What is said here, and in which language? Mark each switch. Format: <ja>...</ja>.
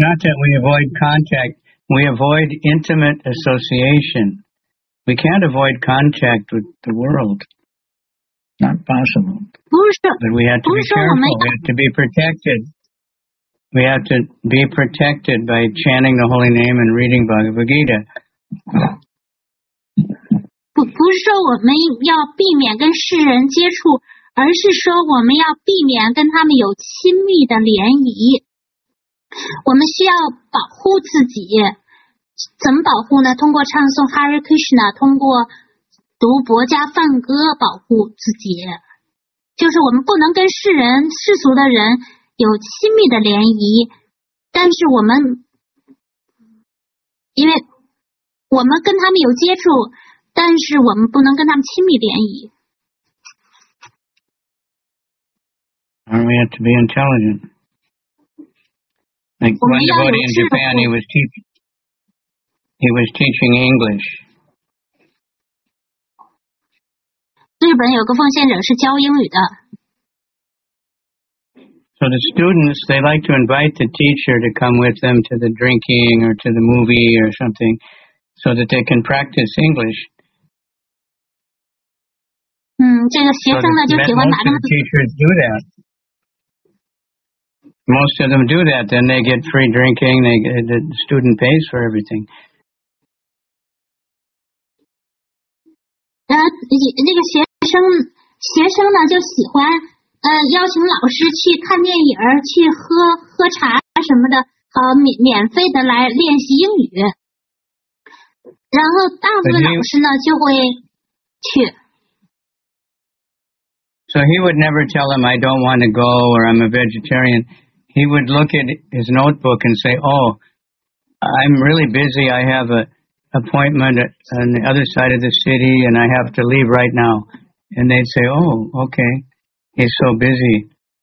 <en>not that we avoid contact, we avoid intimate association. We can't avoid contact with the world. Not possible.</en> <zh>不是，</zh> <en>but we have to be careful, we have to be protected. We have to be protected by chanting the holy name and reading Bhagavad Gita.</en> <zh>不是说我们要避免跟世人接触，而是说我们要避免跟他们有亲密的联谊。我们需要保护自己，怎么保护呢？通过唱诵 Hare Krishna， 通过读薄伽梵歌保护自己，就是我们不能跟世人、世俗的人有亲密的联谊，但是我们，因为我们跟他们有接触，但是我们不能跟他们亲密联谊。</zh> <en>And we have to be intelligent. Like one devotee in Japan, he was teaching English.</en> <zh>日本有个奉献者是教英语的。</zh> <en>So the students, they like to invite the teacher to come with them to the drinking or to the movie or something so that they can practice English.</en> <zh>这个学生呢就喜欢拿着。</zh> <en>Most of the teachers do that. Most of them do that. Then they get free drinking. The student pays for everything.</en> <zh>那个学生呢就喜欢邀请老师去看电影，去喝茶什么的，免费的来练习英语。然后大部分老师呢就会去。</zh> <en>So he would never tell him, I don't want to go, or I'm a vegetarian. He would look at his notebook and say, oh, I'm really busy. I have an appointment on the other side of the city, and I have to leave right now. And they'd say, oh, okay, he's so busy.</en>